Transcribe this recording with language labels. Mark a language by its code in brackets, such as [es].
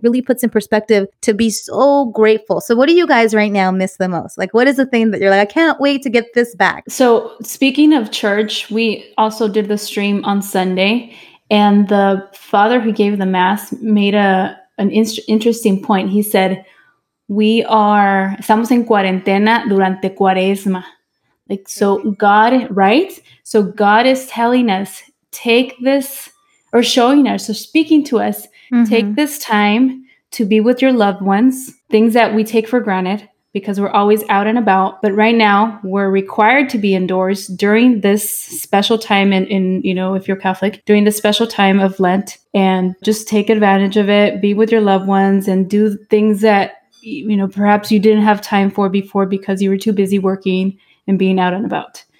[en] It really puts in perspective to be so grateful. So what do you guys right now miss the most? Like, what is the thing that you're like, I can't wait to get this back? So speaking of church, we also did the stream on Sunday and the father who gave the mass made an interesting point. He said, we are, [es] estamos en cuarentena durante cuaresma. [en] Like, so God, right? So God is telling us, take this, or showing us, or speaking to us, take this time to be with your loved ones, things that we take for granted because we're always out and about. But right now, we're required to be indoors during this special time in you know, if you're Catholic, during the special time of Lent, and just take advantage of it, be with your loved ones and do things that, you know, perhaps you didn't have time for before because you were too busy working and being out and about.